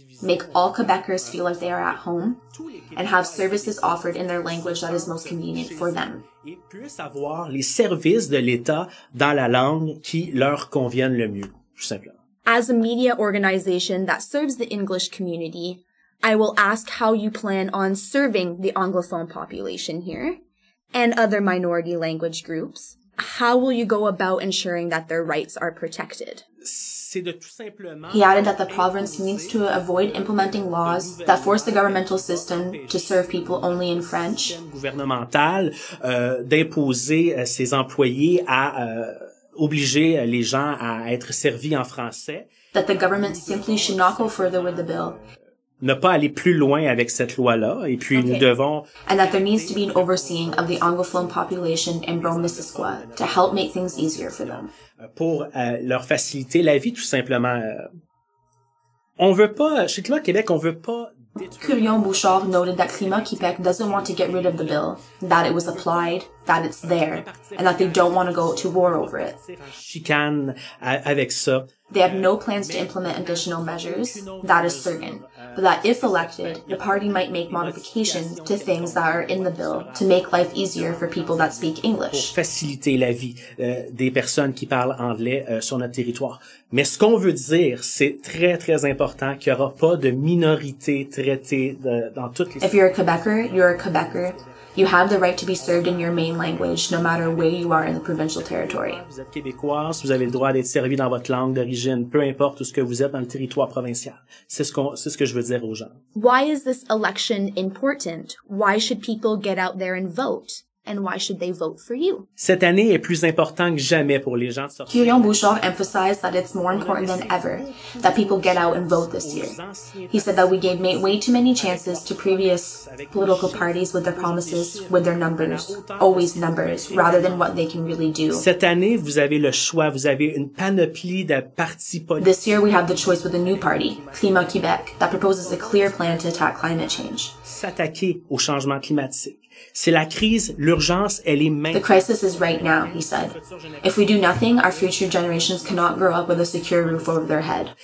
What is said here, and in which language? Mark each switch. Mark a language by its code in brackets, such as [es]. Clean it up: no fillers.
[en] Make all Quebecers feel like they are at home and have services offered in their language that is most convenient for them. [fr] Et puissent avoir les services de l'État dans la langue qui leur conviennent le mieux, tout simplement. [en] As a media organization that serves the English community, I will ask how you plan on serving the Anglophone population here and other minority language groups. How will you go about ensuring that their rights are protected? [fr] c'est de tout simplement... [en] He added that the province needs to avoid implementing laws that force the governmental system to serve people only in French. [fr] Le système gouvernemental d'imposer ses employés à obliger les gens à être servis en français. [en] That the government simply should not go further with the bill. [fr] Ne pas aller plus loin avec cette loi-là, et puis okay. Nous devons... [en] And that there needs to be an overseeing of the anglophone population in Brome-Missisquoi to help make things easier for them. [fr] Pour leur faciliter la vie, tout simplement. On veut pas, chez Climat Québec, on veut pas... [en] Curion Bouchard noted that Climat Québec doesn't want to get rid of the bill, that it was applied, that it's there, and that they don't want to go to war over it. [fr] Chicane avec ça. [en] They have no plans to implement additional measures, that is certain, but that if elected, the party might make modifications to things that are in the bill to make life easier for people that speak English. [fr] Pour faciliter la vie des personnes qui parlent anglais sur notre territoire. Mais ce qu'on veut dire, c'est très, très important qu'il n'y aura pas de minorité traitée dans toutes les... [en] If you're a Quebecer, you're a Quebecer. You have the right to be served in your main language, no matter where you are in the provincial territory. [fr] Vous êtes québécoise, vous avez le droit d'être servie dans votre langue d'origine, peu importe où ce que vous êtes dans le territoire provincial. C'est ce que je veux dire aux gens. [en] Why is this election important? Why should people get out there and vote? And why should they vote for you? [fr] Cette année est plus important que jamais pour les gens de sortir. [en] Curion Bouchard emphasized that it's more important than ever that people get out and vote this year. He said that we gave way too many chances to previous political parties with their promises, with their numbers, always numbers, rather than what they can really do. [fr] Cette année, vous avez le choix, vous avez une panoplie de partis politiques. [en] This year we have the choice with a new party, Climat Québec, that proposes a clear plan to attack climate change. [fr] S'attaquer au changement climatique. C'est la crise, l'urgence, elle est maintenant. [en] The crisis is right now, he said. If we do nothing, our future generations cannot grow up with a secure roof over their head.